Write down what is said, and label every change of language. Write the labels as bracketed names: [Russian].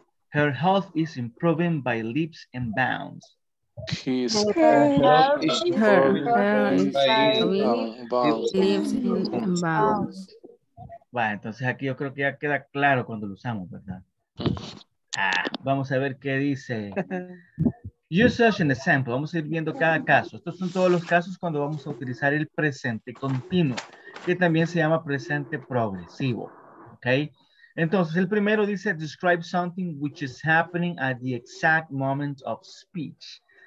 [English] Her health is improving by leaps and bounds. Her health is improving by leaps and bounds. [Spanish] Bueno, entonces aquí yo creo que ya queda claro cuando lo usamos, ¿verdad? Vamos a ver qué dice. [English] Usage an example. [Spanish] Vamos a ir viendo cada caso. Estos son todos los casos cuando vamos a utilizar el presente continuo, que también se llama presente progresivo. ¿Ok? Entonces, el primero dice, [English] describe something which is happening at the exact moment of speech.